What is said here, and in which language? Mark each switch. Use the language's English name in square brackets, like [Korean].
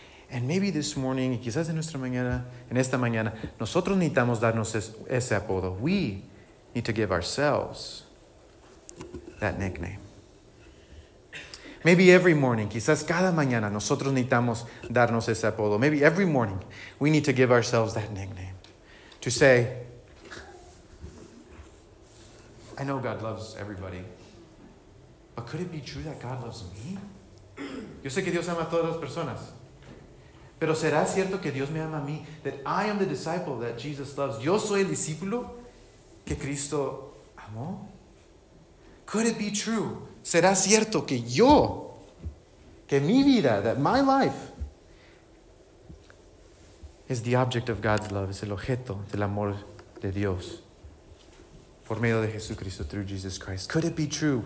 [English] And maybe this morning, [Spanish] y quizás en nuestra mañana, en esta mañana, nosotros necesitamos darnos ese apodo. [English] We need to give ourselves that nickname. Maybe every morning, [Spanish] quizás cada mañana, nosotros necesitamos darnos ese apodo. [English] Maybe every morning, we need to give ourselves that nickname. To say, I know God loves everybody. But could it be true that God loves me? [Spanish] Yo sé que Dios ama a todas las personas. Pero ¿será cierto que Dios me ama a mí? [English] That I am the disciple that Jesus loves. [Spanish] Yo soy el discípulo que Cristo amó. [English] Could it be true? [Spanish] ¿Será cierto que yo, que mi vida, [English] that my life is the object of God's love, [Spanish] es el objeto del amor de Dios por medio de Jesucristo, [English] through Jesus Christ? Could it be true?